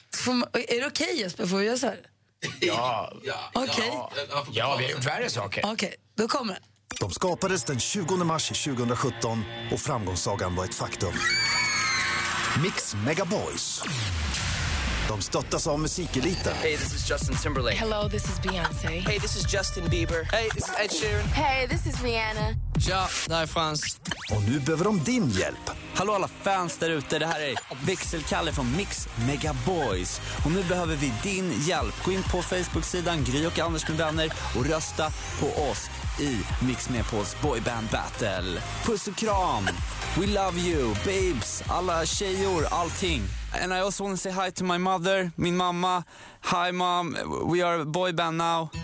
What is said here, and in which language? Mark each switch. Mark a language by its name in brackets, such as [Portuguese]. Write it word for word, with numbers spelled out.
[Swedish] Man, är det okej, Jesper? Får vi göra så här? Ja. Okej. Ja, ja, vi har gjort värre saker. Okej, okay, då kommer det. De skapades den tjugonde mars tjugosjutton och framgångssagan var ett faktum. Mix Mega Boys. De stöttas av musikeliten. [English] Hey, this is Justin Timberlake. Hello, this is Beyoncé. Hey, this is Justin Bieber. Hey, this is Ed Sheeran. Hey, this is Rihanna. [Swedish] Ja, det här är Frans. Och nu behöver de din hjälp. Hallå alla fans där ute, det här är Växelkalle från Mix Mega Boys. Och nu behöver vi din hjälp. Gå in på Facebook-sidan Gry och Anders med vänner och rösta på oss i Mix Megapols Boyband Battle. Puss och kram. [English] We love you, babes. [Swedish] Alla tjejor, allting. [English] And I also want to say hi to my mother, [Swedish] min mamma. [English] Hi mom, we are a boyband now.